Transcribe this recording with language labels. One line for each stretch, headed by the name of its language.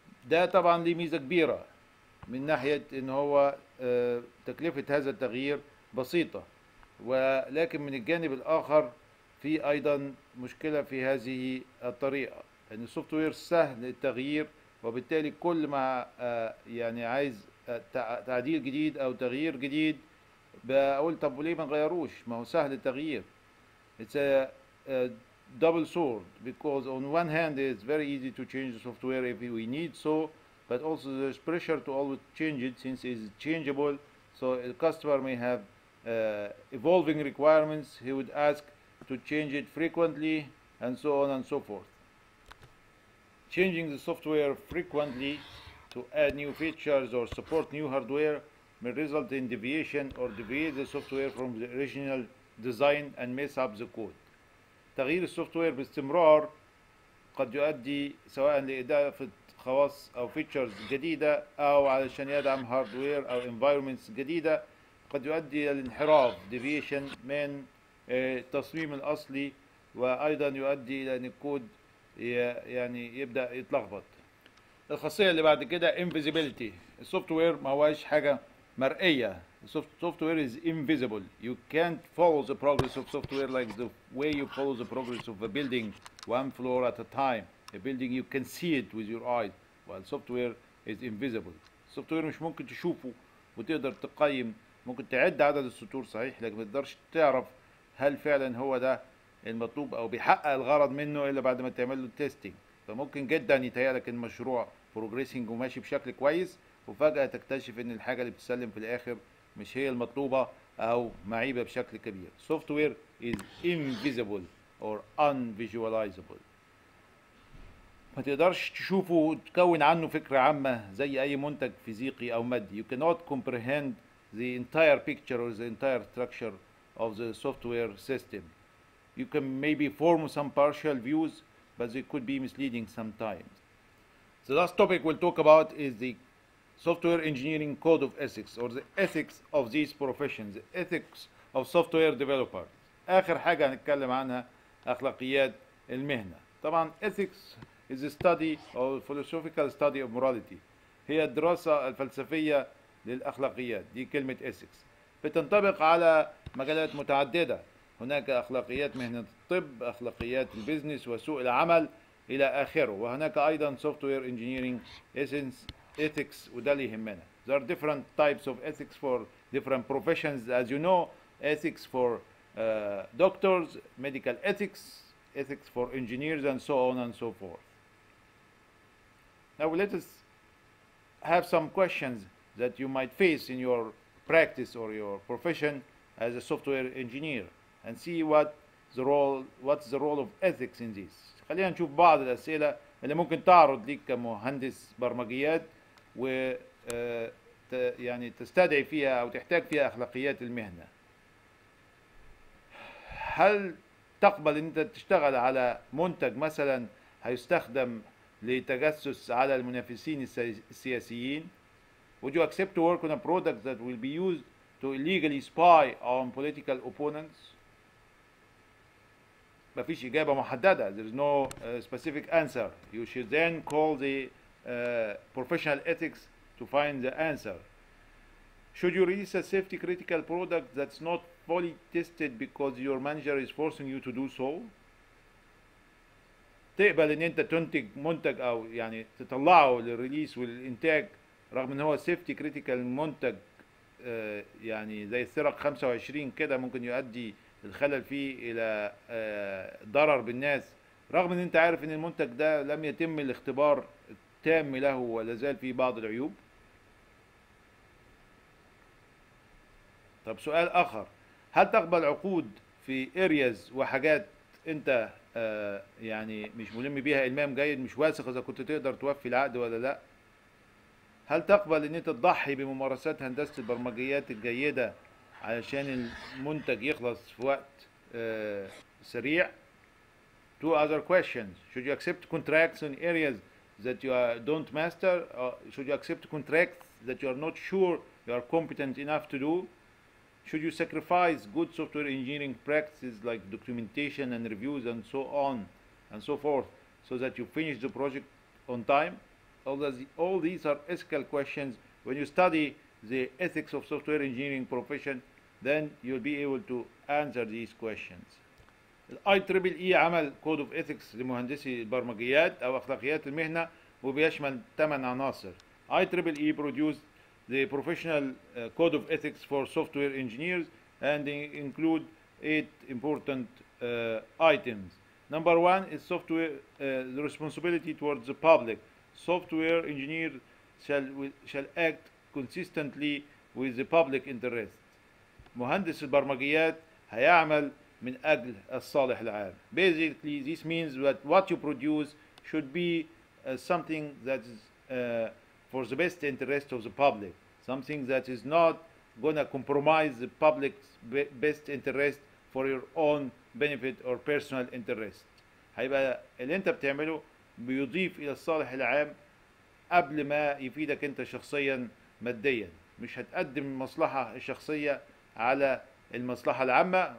Arabic: ده طبعا ليه ميزة كبيرة من ناحية ان هو تكلفة هذا التغيير بسيطة, ولكن من الجانب الاخر في ايضا مشكلة في هذه الطريقة, ان السوفت وير سهل التغيير, وبالتالي كل ما يعني عايز تعديل جديد او تغيير جديد بقول طب وليه ما نغيروش, ما هو سهل التغيير.
English: It's a double sword, because on one hand it's very easy to change the software if we need so, but also there's pressure to always change it since it's changeable. So the customer may have evolving requirements, he would ask to change it frequently, and so on and so forth. Changing the software frequently to add new features or support new hardware may result in deviation or deviate the software from the original design and mess up the code.
Arabic: تغيير السوفتوير باستمرار قد يؤدي سواء لإضافة خواص أو فيتشرز جديدة, أو علشان يدعم هاردوير أو انفايرمنتس جديدة, قد يؤدي إلى انحراف ديفيشن من التصميم الأصلي, وأيضا يؤدي إلى أن الكود يعني يبدأ يتلخبط. الخاصية اللي بعد كده invisibility, السوفتوير ما هوش حاجة مرئية.
English: Software is invisible. You can't follow the progress of software like the way you follow the progress of a building, one floor at a time. A building you can see it with your eyes, while software is invisible.
Arabic: Software مش ممكن تشوفه وتقدر تقيم, ممكن تعد عدد السطور صحيح, لكن ما تقدرش تعرف هل فعلا هو ده المطلوب او بيحقق الغرض منه الا بعد ما تعمل له تيستينج. فممكن جدا يتهيألك ان المشروع بروجريسنج وماشي بشكل كويس, وفجأة تكتشف ان الحاجة اللي بتسلم في الاخر مش هي المطلوبة أو معيبة بشكل كبير.
English: Software is invisible or unvisualizable.
Arabic: ما تقدرش تشوفه وتكون عنه فكرة عامة زي أي منتج فيزيقي أو مادي.
English: You cannot comprehend the entire picture or the entire structure of the software system. You can maybe form some partial views, but they could be misleading sometimes. The last topic we'll talk about is the Software Engineering Code of Ethics, or the ethics of these professions, the ethics of software developer.
Arabic: آخر حاجة هنتكلم عنها أخلاقيات المهنة. طبعا
English: ethics is a study or philosophical study of morality,
Arabic: هي الدراسة الفلسفية للأخلاقيات, دي كلمة
English: ethics.
Arabic: بتنطبق على مجالات متعددة, هناك أخلاقيات مهنة الطب, أخلاقيات البيزنس وسوق العمل, الى اخره. وهناك ايضا
English: software engineering essence ethics,
Arabic: وده اللي يهمنا.
English: There are different types of ethics for different professions. As you know, ethics for doctors, medical ethics, ethics for engineers, and so on and so forth. Now let us have some questions that you might face in your practice or your profession as a software engineer, and see what's the role of ethics in this.
Arabic: خلينا نشوف بعض الأسئلة اللي ممكن تعرض لك كمهندس برمجيات و يعني تستدعي فيها أو تحتاج فيها أخلاقيات المهنة. هل تقبل أنت تشتغل على منتج مثلا هيستخدم لتجسس على المنافسين السياسيين؟
English: Would you accept to work on a product that will be used to illegally spy on political opponents؟
Arabic: ما فيش إجابة محددة.
English: There is no specific answer. You should then call the professional ethics to find the answer. Should you release a safety critical product that's not fully tested because your manager is forcing you to do so?
Arabic: تقبل ان انت تنتج منتج او يعني تطلعه للريليس والانتاج رغم ان هو سيفتي كريتيكال منتج يعني زي السرق 25 كده ممكن يؤدي الخلل فيه الى ضرر بالناس، رغم ان انت عارف ان المنتج ده لم يتم الاختبار التام له ولا زال فيه بعض العيوب؟ طب سؤال اخر، هل تقبل عقود في ارياز وحاجات انت يعني مش ملم بيها المام جيد، مش واثق اذا كنت تقدر توفي العقد ولا لا؟ هل تقبل ان انت تضحي بممارسات هندسة البرمجيات الجيدة علشان المنتج يخلص في وقت سريع؟
English: Two other questions. Should you accept contracts in areas that you don't master? Should you accept contracts that you are not sure you are competent enough to do? Should you sacrifice good software engineering practices like documentation and reviews and so on and so forth so that you finish the project on time? All these are ethical questions. When you study the ethics of software engineering profession, then you'll be able to answer these questions.
Arabic: IEEE عمل
English: code of ethics
Arabic: لمهندسي البرمجيات أو أخلاقيات المهنة وبيشمل 8 عناصر.
English: IEEE produced the professional code of ethics for software engineers and include 8 important items. Number one is software the responsibility towards the public. Software engineer shall act consistently with the public interest.
Arabic: مهندس البرمجيات هيعمل من اجل الصالح العام.
English: Basically this means that what you produce should be something that is for the best interest of the public. Something that is not gonna compromise the public's best interest for your own benefit or personal interest.
Arabic: هيبقى اللي انت بتعمله بيضيف الى الصالح العام قبل ما يفيدك انت شخصيا ماديا. مش هتقدم المصلحة الشخصية على المصلحة العامة.